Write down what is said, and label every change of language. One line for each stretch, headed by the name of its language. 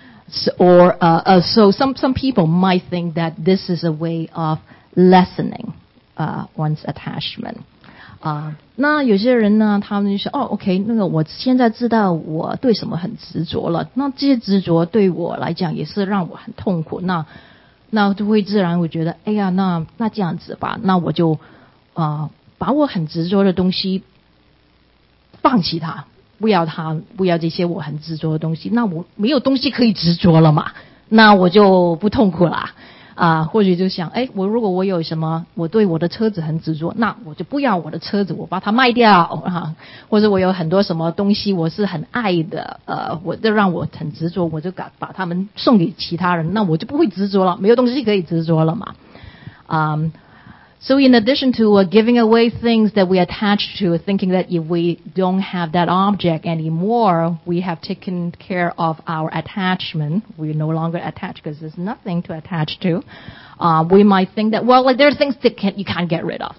English: So some people might think that this is a way of lessening one's attachment.
Chinese: 那有些人呢，他们就说，哦 ，OK， 那个我现在知道我对什么很执着了。那这些执着对我来讲也是让我很痛苦。那就会自然会觉得，哎呀，那这样子吧，那我就把我很执着的东西放弃它，不要它，不要这些我很执着的东西。那我没有东西可以执着了嘛？那我就不痛苦啦。或许就想，哎，我如果我有什么，我对我的车子很执着，那我就不要我的车子，我把它卖掉啊。或者我有很多什么东西我是很爱的，我就让我很执着，我就把它们送给其他人，那我就不会执着了，没有东西可以执着了嘛。
English: So in addition to giving away things that we attach to, thinking that if we don't have that object anymore, we have taken care of our attachment. We're no longer attached because there's nothing to attach to. We might think that, well, like, there are things that you can't get rid of.